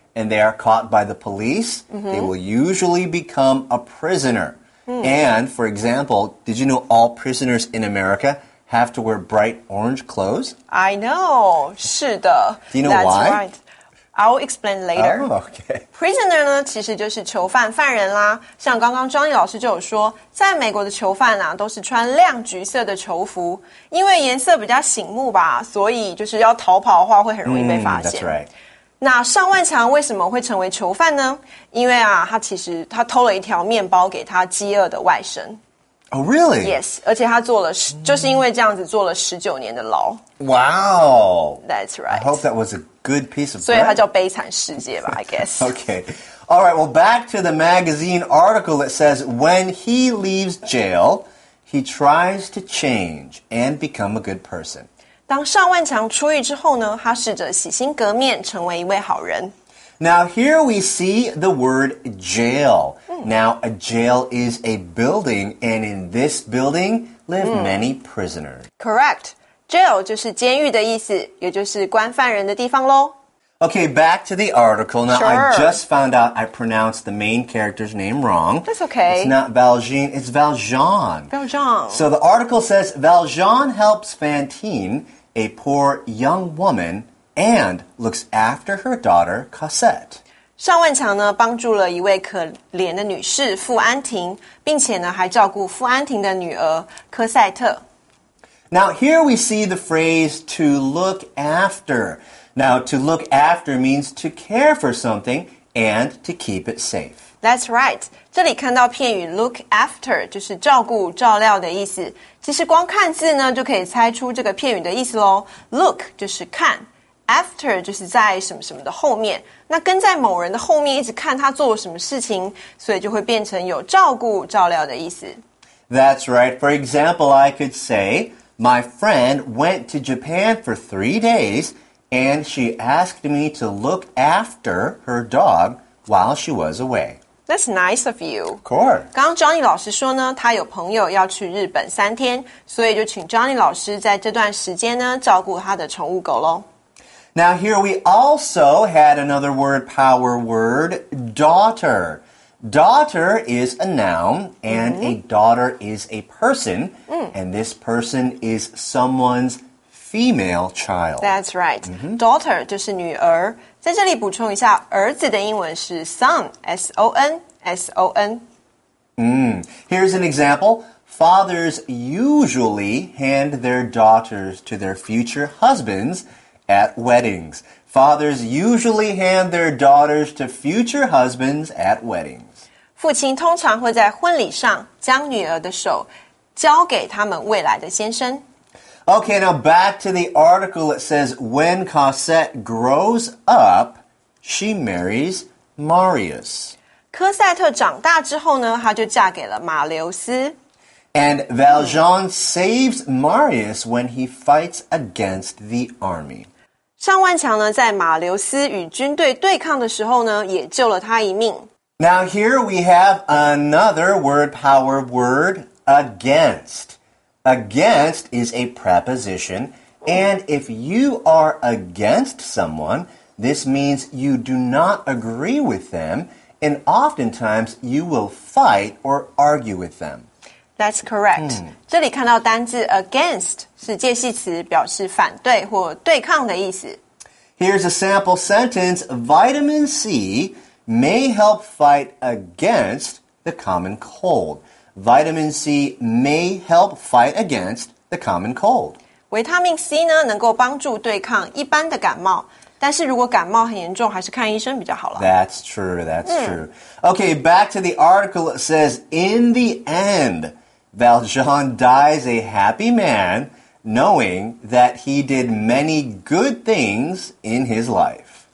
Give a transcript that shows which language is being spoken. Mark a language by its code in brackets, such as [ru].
[en] And they are caught by the police,、mm-hmm. they will usually become a prisoner.、Mm. And, for example, did you know all prisoners in America have to wear bright orange clothes? I know, [zh] 是的。 [en] Do you know That's why? That's right. I'll explain later. Oh, okay. [zh] Prisoner 呢其实就是囚犯、犯人啦。像刚刚庄毅老师就有说，在美国的囚犯啊，都是穿亮橘色的囚服，因为颜色比较醒目吧，所以就是要逃跑的话会很容易被发现。 [en] That's right. [zh] 那尚万强为什么会成为囚犯呢？因为啊，他其实他偷了一条面包给他饥饿的外甥。 [en] Oh, really? Yes. [zh] 而且他坐了就是因为这样子坐了19年的牢。 [en] Wow. That's right. I hope that was a good piece of bread. [zh] 所以他叫悲惨世界吧 [en] I guess. Okay. All right. Well, back to the magazine article that says when he leaves jail, he tries to change and become a good person. [zh] 当尚万强出狱之后呢，他试着洗心革面，成为一位好人。 [en] Now, here we see the word jail.、Mm. Now, a jail is a building, and in this building live、mm. many prisoners. Correct. [zh] Jail 就是监狱的意思，也就是关犯人的地方咯。 [en] Okay, back to the article. Now,、 sure. I just found out I pronounced the main character's name wrong. That's okay. It's not Valjean, it's Valjean. Valjean. So the article says, Valjean helps Fantine, a poor young woman, and looks after her daughter, Cosette. 尚万强呢帮助了一位可怜的女士傅安婷，并且呢还照顾傅安婷的女儿科赛特。 Now, here we see the phrase to look after. Now, to look after means to care for something and to keep it safe. That's right. [zh] 这里看到片语 look after, 就是照顾、照料的意思。其实光看字呢就可以猜出这个片语的意思咯。 Look 就是看 ,after 就是在什么什么的后面。那跟在某人的后面一直看他做了什么事情所以就会变成有照顾、照料的意思。 [en] That's right. For example, I could say, my friend went to Japan for 3 days,And she asked me to look after her dog while she was away. That's nice of you. Of course. [zh] 刚刚 Johnny 老师说呢，他有朋友要去日本3天，所以就请 Johnny 老师在这段时间呢，照顾他的宠物狗咯。 [en] Now here we also had another word, power word, daughter. Daughter is a noun, and、mm-hmm. a daughter is a person,、mm. and this person is someone'sfemale child. That's right.、Mm-hmm. [zh] Daughter 就是女儿。在这里补充一下，儿子的英文是 son, S-O-N, S-O-N.、 [en] Mm. Here's an example. Fathers usually hand their daughters to their future husbands at weddings. Fathers usually hand their daughters to future husbands at weddings. [zh] 父亲通常会在婚礼上将女儿的手交给他们未来的先生。 [en] Okay, now back to the article. It says, when Cosette grows up, she marries Marius. [zh] 科赛特长大之后呢，她就嫁给了马留斯。 [en] And Valjean saves Marius when he fights against the army. [zh] 尚万强呢，在马留斯与军队对抗的时候呢，也救了他一命。 [en] Now here we have another word power word, against. Against is a preposition, and if you are against someone, this means you do not agree with them, and oftentimes you will fight or argue with them. That's correct.、Mm. [zh] 这里看到单字 against 是介系词，表示反对或对抗的意思。 [en] Here's a sample sentence. Vitamin C may help fight against the common cold. Vitamin C may help fight against the common cold. [zh] Vitamin C 呢能够帮助对抗一般的感冒。但是如果感冒很严重还是看医生比较好了。 [en] That's true, that's true. Okay, back to the article. It says, in the end, Valjean dies a happy man, knowing that he did many good things in his life.